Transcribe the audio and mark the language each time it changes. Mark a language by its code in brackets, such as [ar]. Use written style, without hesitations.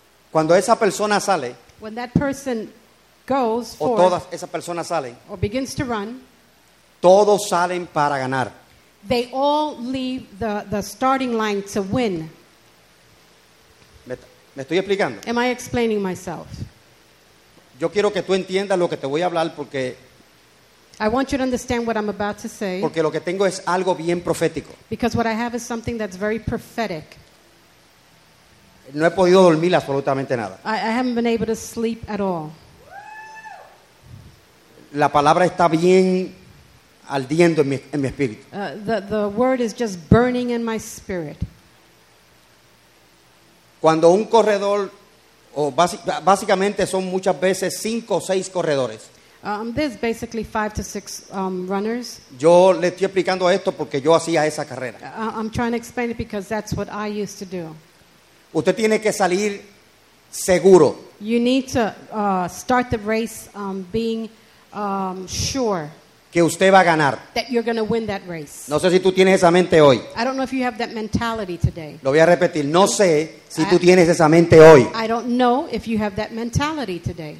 [es] Cuando esa persona sale, [en] when that person goes [es] o [en] forth, [es] todas esas personas salen, [en] or begins to run, [es] todos salen para ganar. [en] They all leave the starting line to win. [es] ¿Me estoy explicando? [en] Am I explaining myself? [es] Yo quiero que tú entiendas lo que te voy a hablar porque [en] I want you to understand what I'm about to say. [es] Porque lo que tengo es algo bien profético. [en] Because what I have is something that's very prophetic. [es] No he podido dormir absolutamente nada. [en] I haven't been able to sleep at all. [es] La palabra está bien ardiendo en mi espíritu. [en] The word is just burning in my spirit. [es] Cuando un corredor, básicamente son muchas veces 5 o 6 corredores. [en] There's basically 5 to 6 runners. [es] Yo le estoy explicando esto porque yo hacía esa carrera. [en] I'm trying to explain it because that's what I used to do. [es] Usted tiene que salir seguro. [en] You need to start the race being sure. [es] Que usted va a ganar. [en] That you're going to win that race. [es] No sé si tú tienes esa mente hoy. [en] I don't know if you have that mentality today. [es] Lo voy a repetir. No sé si tú tienes esa mente hoy. [en] I don't know if you have that mentality today.